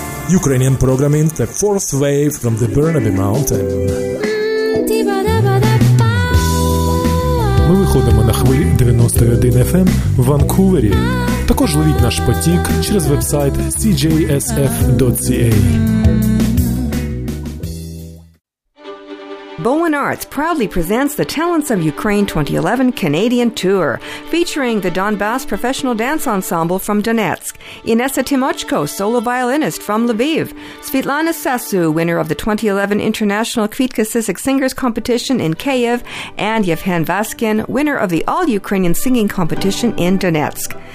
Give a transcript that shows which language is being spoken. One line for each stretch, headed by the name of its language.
English: Ukrainian programming, the fourth wave from the Burnaby Mountain.
Ukrainian: Ми виходимо на хвилі 91 FM в Ванкувері. Також ловіть наш потік через веб-сайт cjsf.ca.
English: Bowen Arts proudly presents the Talents of Ukraine 2011 Canadian Tour, featuring the Donbass Professional Dance Ensemble from Donetsk, Inessa Timochko, solo violinist from Lviv, Svetlana Sasu, winner of the 2011 International Kvitka Sisik Singers Competition in Kyiv, and Yevhen Vaskin, winner of the All-Ukrainian Singing Competition in Donetsk.